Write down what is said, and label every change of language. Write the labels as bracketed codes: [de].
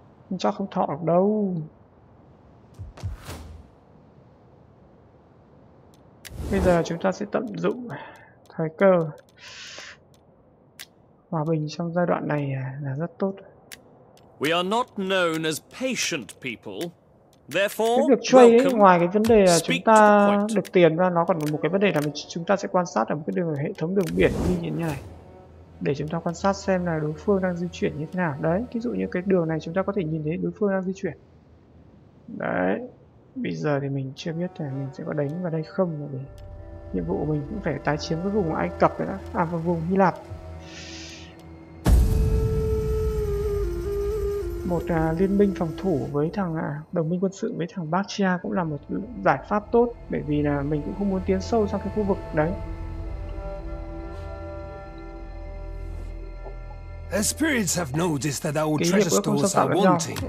[vi] Mình chắc không thọ được đâu. Bây giờ chúng ta sẽ tận dụng thời cơ. Hòa bình trong giai đoạn này là rất tốt. [en] We are not known as patient people. Therefore, [vi] cái việc trade ấy, ngoài cái vấn đề là chúng ta được tiền ra, nó còn một cái vấn đề là chúng ta sẽ quan sát ở một cái đường hệ thống đường biển như thế này. Để chúng ta quan sát xem là đối phương đang di chuyển như thế nào. Đấy, ví dụ như cái đường này chúng ta có thể nhìn thấy đối phương đang di chuyển. Đấy. Bây giờ thì mình chưa biết là mình sẽ có đánh vào đây không. Rồi. Nhiệm vụ của mình cũng phải tái chiếm cái vùng Ai Cập đó. À, và vùng Hy Lạp. Một liên minh phòng thủ với thằng đồng minh quân sự với thằng Bactria cũng là một giải pháp tốt. Bởi vì là mình cũng không muốn tiến sâu sang cái khu vực đấy. [en] The spirits have noticed that our treasure stores are wanting.